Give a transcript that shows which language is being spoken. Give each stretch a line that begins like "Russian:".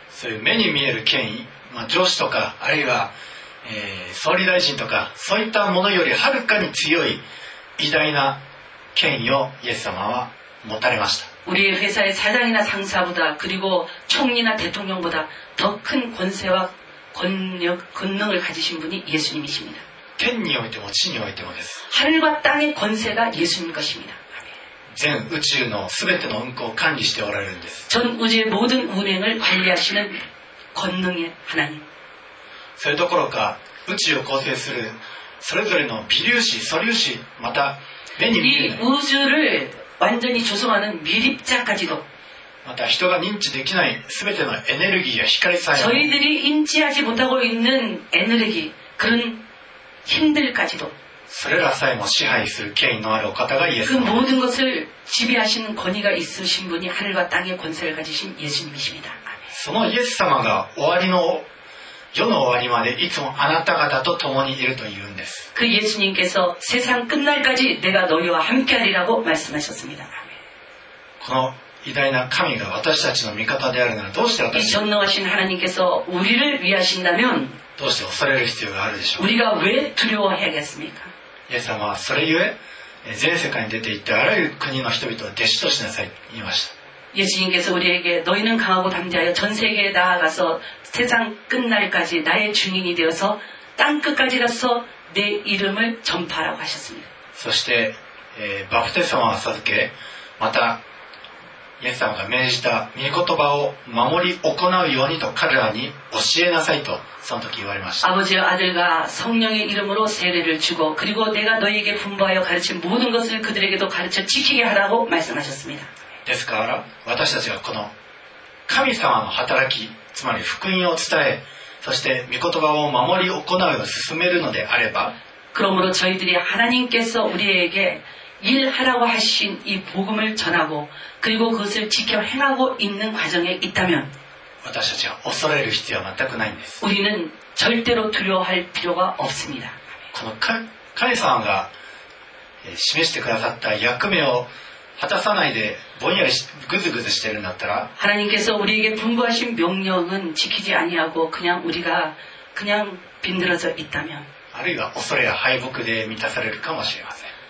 Japanese: そういう目に見える権威上司とかあるいは、総理大臣とかそういったものよりはるかに強い偉大な権威をイエス様は持たれました。
Korean: 우리회사의사장이나상사보다그리고총리나대통령보다더큰권세와권력권능을가지신분이예수님이십니다
Japanese: 天においても地においてもです
Korean: 하늘과땅의권세가예수님것입니다 전우주의
Japanese: すべての運行を管理しておられるんです。
Korean: 전우주의모든운행을관리하시는권능의하나님
Japanese: それどころか宇宙を構成するそれぞれの微粒子素粒子また目に見えない
Korean: 우주를완전히조성하는미립자까지도
Japanese: また人が認知できない全てのエネルギーや光さえ
Korean: 저희들이인지하지못하고있는에너지그런힘들까지도
Japanese: それらさえも支配する権威のあるお方がイエス
Korean: 그모든것을지배하시는권위가있으신분이하늘과땅의권세를가지신예수님이십니다
Japanese: そのイエス様が終わりの世の終わりまでいつもあなた方と共にいると言うんです。
Korean: 그예수님께서세상끝날까지내가너희와함께하리라고말씀하셨습니다。
Japanese: この偉大な神が私たちの味方であるならどうして私
Korean: 이전능하신하나님께서우리를위하신다면
Japanese: どうして恐れる必要があるでしょう。
Korean: 우리가왜두려워해야겠습니까
Japanese: イエス様はそれゆえ全世界に出て行ってあらゆる国の人々を弟子としなさいと言いました。
Korean: 예수님께서우리에게너희는강하고담대하여전세계에나아가서세상끝날까지나의증인이되어서땅끝까지가서내이름을전파라고하셨습니다
Japanese: そして、バプテスマを授けまたイエス様が命じた御言葉を守り行うようにと彼らに教えなさいとその時言われました。
Korean: 아버지와아들과성령의이름으로세례를주고그리고내가너희에게분부하여가르친모든것을그들에게도가르쳐지키게하라고말씀하셨습니다
Japanese: ですから私たちがこの神様の働きつまり福音を伝えそして御言葉を守り行うを進めるのであれば
Korean: 그러므로저희들이하나님께서우리에게일하라고하신이복음을전하고그리고그것을지켜행하고있는과정에있다면
Japanese: 私たちは恐れる必要は全くないんです。
Korean: 우리는절대로두려워할필요가없습니다
Japanese: この神様が示してくださった役目を果たさないでぼんやりぐずぐずしてるんだったら
Korean: 하나님께서우리에게분부하신명령은지키지아니하고그냥우리가그냥빈들어져있다면
Japanese: 아るいは恐れや敗北で満たされるかもしれません